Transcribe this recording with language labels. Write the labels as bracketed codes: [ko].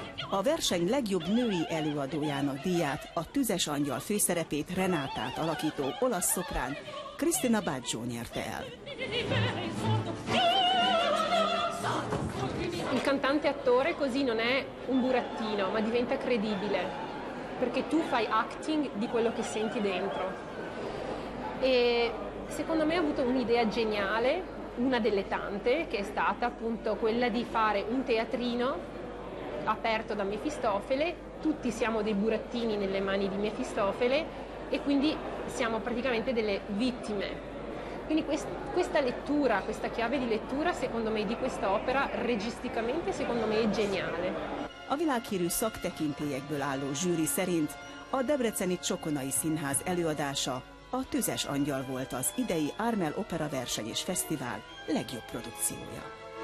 [hu] A verseny legjobb női előadójának díját, a Tüzes Angyal főszerepét, Renátát alakító olasz szoprán Krisztina Baggio nyerte el. [it] Il cantante attore così non è un burattino, ma diventa credibile, perché tu fai acting di quello che senti dentro. E secondo me ha avuto un'idea geniale, una delle tante, che è stata appunto quella di fare un teatrino aperto da Mefistofele, tutti siamo dei burattini nelle mani di Mefistofele e quindi siamo praticamente delle vittime. Quindi questa lettura, questa chiave di lettura, secondo me, di questa opera, registicamente, secondo me, è geniale. [hu] A világhírű szaktekintélyekből álló zsűri szerint a debreceni Csokonai Színház előadása a Tüzes Angyal volt az idei Ármel Opera Verseny és Fesztivál legjobb produkciója.